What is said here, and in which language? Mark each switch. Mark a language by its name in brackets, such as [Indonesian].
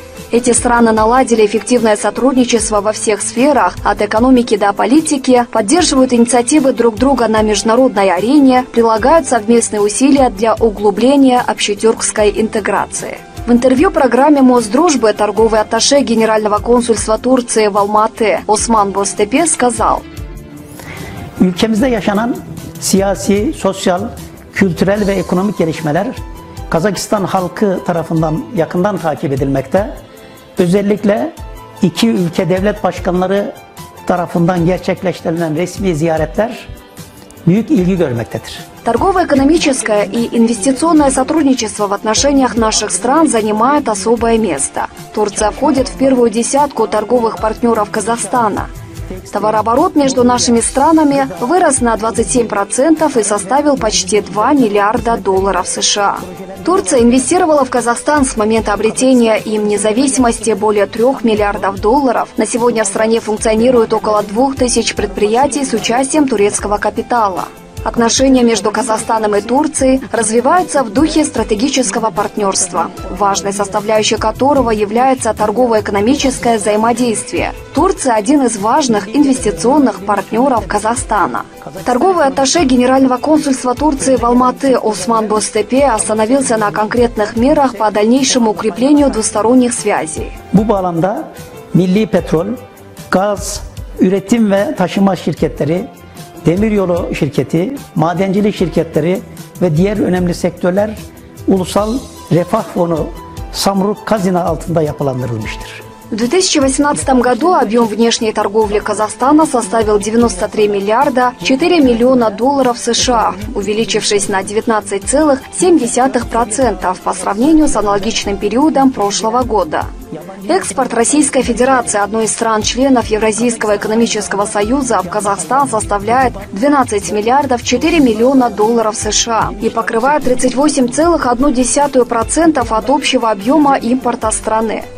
[Russian] Эти страны наладили эффективное сотрудничество во всех сферах, от экономики до политики, поддерживают инициативы друг друга на международной арене, прилагают совместные усилия для углубления общетюркской интеграции. В интервью программе Мосдружбы торговый атташе Генерального консульства Турции в Алматы Осман Бостепе сказал: [Turkish] Ülkemizde yaşanan siyasi, sosyal, kültürel ve ekonomik gelişmeler Kazakistan halkı tarafından yakından takip edilmekte. Özellikle iki ülke devlet başkanları tarafından gerçekleştirilen resmi ziyaretler büyük ilgi görmektedir. [Russian] Торгово-экономическое и инвестиционное сотрудничество в отношениях наших стран занимает особое место. Турция входит в первую десятку торговых партнеров Казахстана. Товарооборот между нашими странами вырос на 27% и составил почти 2 миллиарда долларов США. Турция инвестировала в Казахстан с момента обретения им независимости более 3 миллиардов долларов. На сегодня в стране функционирует около 2000 предприятий с участием турецкого капитала. Отношения между Казахстаном и Турцией развиваются в духе стратегического партнерства, важной составляющей которого является торгово-экономическое взаимодействие. Турция – один из важных инвестиционных партнеров Казахстана. Торговый атташе Генерального консульства Турции в Алматы Осман Бостепе остановился на конкретных мерах по дальнейшему укреплению двусторонних связей. [Turkish] Bu bağlamda Milli Petrol, Gaz, Üretim ve Taşıma şirketleri, Demiryolu şirketi, madencilik şirketleri ve diğer önemli sektörler Ulusal Refah Fonu Samruk Kazina altında yapılandırılmıştır. [Russian] В 2018 году объем внешней торговли Казахстана составил 93 миллиарда 4 миллиона долларов США, увеличившись на 19,7% по сравнению с аналогичным периодом прошлого года. Экспорт Российской Федерации, одной из стран-членов Евразийского экономического союза, в Казахстан составляет 12 миллиардов 4 миллиона долларов США и покрывает 38,1% от общего объема импорта страны.